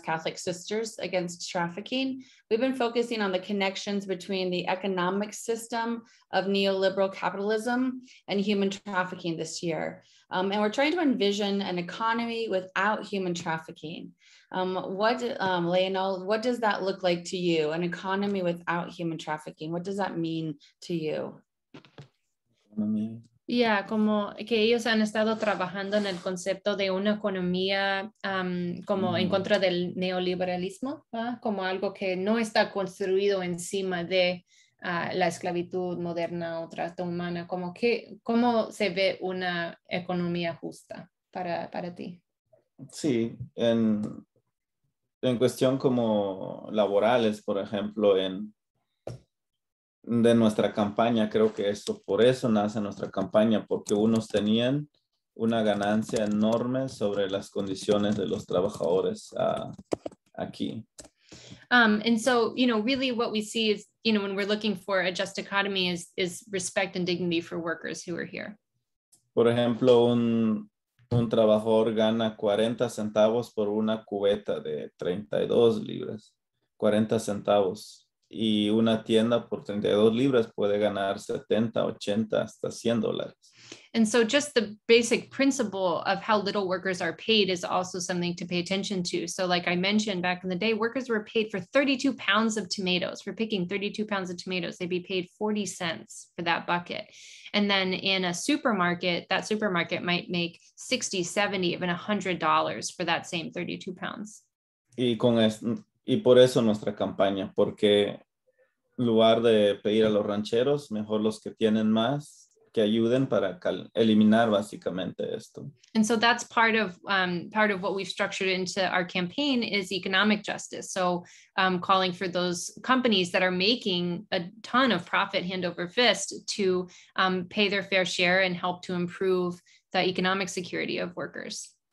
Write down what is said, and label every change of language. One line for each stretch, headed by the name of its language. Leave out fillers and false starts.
English: Catholic Sisters Against Trafficking, we've been focusing on the connections between the economic system of neoliberal capitalism and human trafficking this year. And we're trying to envision an economy without human trafficking. Leonel, what does that look like to you? An economy without human trafficking, what does that mean to you?
Spanish: Yeah, como que ellos han estado trabajando en el concepto de una economía como en contra del neoliberalismo, ¿verdad? Como algo que no está construido encima de la esclavitud moderna o trato humana. ¿Cómo se ve una economía justa para ti? Sí, en cuestión como laborales, por ejemplo, de nuestra campaña, creo que eso, por eso nace nuestra campaña, porque unos tenían una ganancia enorme sobre las condiciones de los trabajadores aquí.
English: And so, you know, really what we see is, you know, when we're looking for a just economy is respect and dignity for workers who are here.
Spanish: Por ejemplo, un trabajador gana 40 centavos por una cubeta de 32 libras, 40 centavos. y una tienda por 32 libras puede ganar 70, 80, hasta $100.
English: And so just the basic principle of how little workers are paid is also something to pay attention to. So like I mentioned, back in the day, workers were paid for 32 pounds of tomatoes. For picking 32 pounds of tomatoes, they'd be paid 40 cents for that bucket. And then in a supermarket, that supermarket might make 60, 70, even $100 for that same 32 pounds.
Spanish: Y con y por eso nuestra campaña, porque en lugar de pedir a los rancheros, mejor los que tienen más, que ayuden para eliminar básicamente esto.
English: And so that's part of what we've structured into our campaign is economic justice. So calling for those companies that are making a ton of profit hand over fist to pay their fair share and help to improve the economic security of workers.